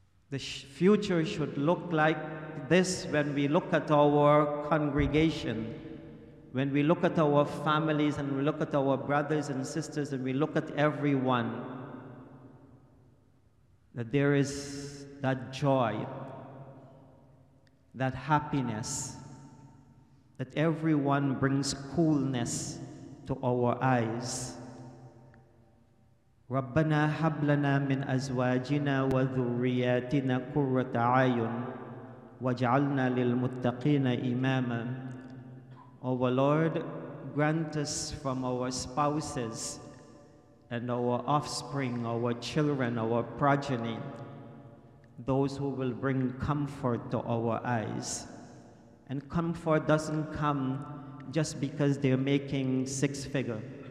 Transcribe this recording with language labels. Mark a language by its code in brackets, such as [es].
[en] The future should look like this when we look at our congregation, when we look at our families and we look at our brothers and sisters and we look at everyone, that there is that joy, that happiness, that everyone brings coolness to our eyes. [ar] ربنا هب لنا من ازواجنا وذرياتنا قرة اعين واجعلنا للمتقين اماما. [en] Our Lord, grant us from our spouses and our offspring, our children, our progeny, those who will bring comfort to our eyes. And comfort doesn't come just because they're making six figure.